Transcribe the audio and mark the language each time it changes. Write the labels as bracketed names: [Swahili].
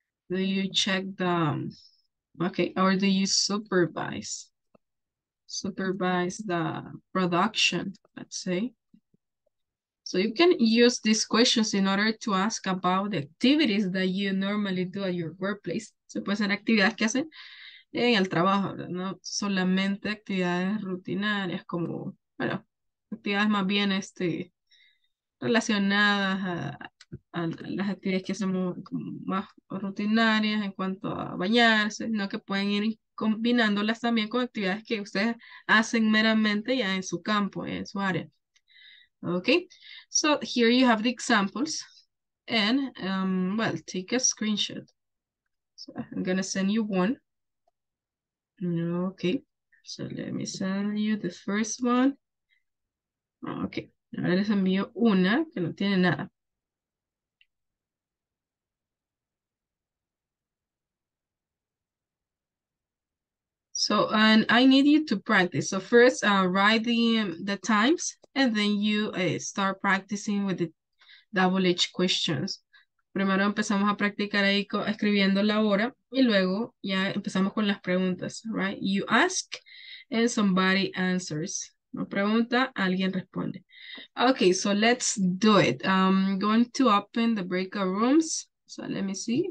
[English] Do you check the, or do you supervise the production, let's say? So you can use these questions in order to ask about the activities that you normally do at your workplace. [Spanish] Se puede hacer actividades que hacen en el trabajo, ¿verdad? No solamente actividades rutinarias, como, bueno, actividades más bien relacionadas a las actividades que hacemos más rutinarias en cuanto a bañarse, sino que pueden ir combinándolas también con actividades que ustedes hacen meramente ya en su campo, en su área. [English] Okay, so here you have the examples, and take a screenshot. So I'm gonna send you one. Okay, so let me send you the first one. [Spanish] Okay, ahora les envío una que no tiene nada. [English] So, and I need you to practice. So first, write the times, and then you start practicing with the double H questions. [Spanish] Primero empezamos a practicar ahí escribiendo la hora, y luego ya empezamos con las preguntas, right? [English] You ask, and somebody answers. [Spanish] No pregunta, alguien responde. [English] Okay, so let's do it. I'm going to open the breakout rooms. So let me see.